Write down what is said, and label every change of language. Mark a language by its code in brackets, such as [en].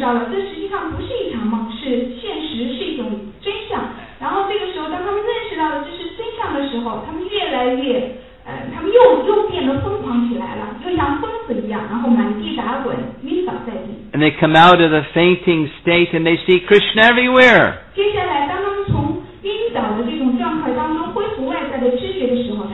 [zh] 这实际上不是一场梦，是现实，是一种真相。然后这个时候，当他们认识到了这是真相的时候，他们越来越，他们又变得疯狂起来了，又像疯子一样，然后满地打滚，晕倒在地。 [en] And they come out of the fainting state and they see Krishna everywhere. [zh] 接下来，当他们从晕倒的这种状态当中恢复外在的知觉的时候。